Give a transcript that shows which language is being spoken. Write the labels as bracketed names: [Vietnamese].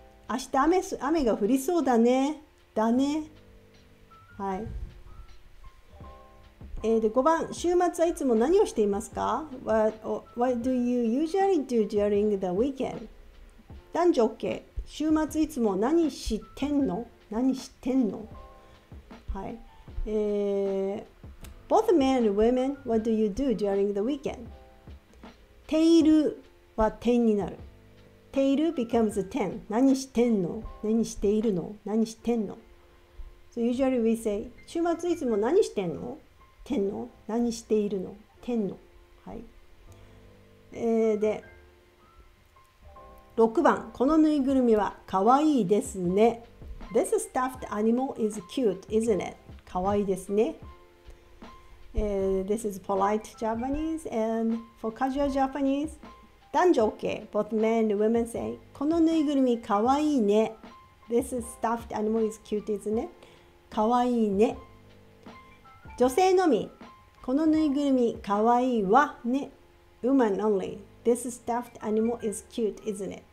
[Japanese] 明日雨が降りそうだね。だね。はい。で5番、週末はいつも何をしていますか? [English] What do you usually do during the weekend? [Japanese] 男女 OK。週末いつも何してんの？何してんの？はい。 [English] Both men and women, what do you do during the weekend? [Japanese] ているは点になる。ている [English] becomes a [Japanese] 点。何してんの？何しているの？何してんの？ [English] So usually we say, [Japanese] 週末いつも何してんの？点の？何しているの？点の。はい。で、6番、このぬいぐるみはかわいいですね。 [English] This stuffed animal is cute, isn't it? [Japanese] かわいいですね。 [English] This is polite Japanese, and for casual Japanese, [Japanese] 男女 OK, [English] both men and women say, [Japanese] このぬいぐるみかわいいね。 [English] This stuffed animal is cute, isn't it? [Japanese] かわいいね。女性のみ、このぬいぐるみかわいいわね。 [English] Woman only, this stuffed animal is cute, isn't it?